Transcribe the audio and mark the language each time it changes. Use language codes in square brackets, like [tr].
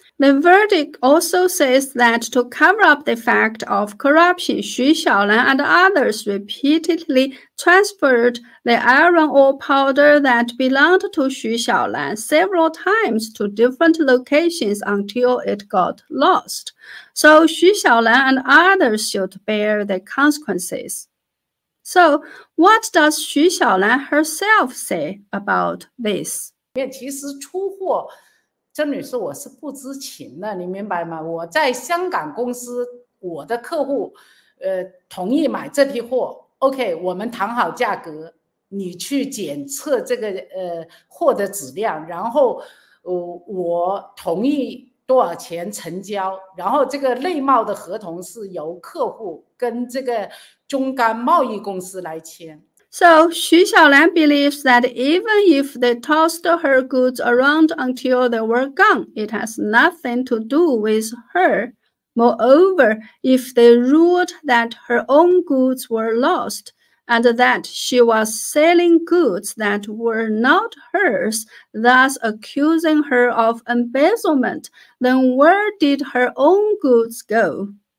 [en] The verdict also says that to cover up the fact of corruption, Xu Xiaolan and others repeatedly transferred the iron ore powder that belonged to Xu Xiaolan several times to different locations until it got lost. So Xu Xiaolan and others should bear the consequences. So what does Xu Xiaolan herself say about this? [zh] 其实出货郑女士，我是不知情的，你明白吗？我在香港公司，我的客户，同意买这批货 ，OK， 我们谈好价格，你去检测这个货的质量，然后我同意多少钱成交，然后这个内贸的合同是由客户跟这个中干贸易公司来签。 [en] So, Xu Xiaolan believes that even if they tossed her goods around until they were gone, it has nothing to do with her. Moreover, if they ruled that her own goods were lost, and that she was selling goods that were not hers, thus accusing her of embezzlement, then where did her own goods go?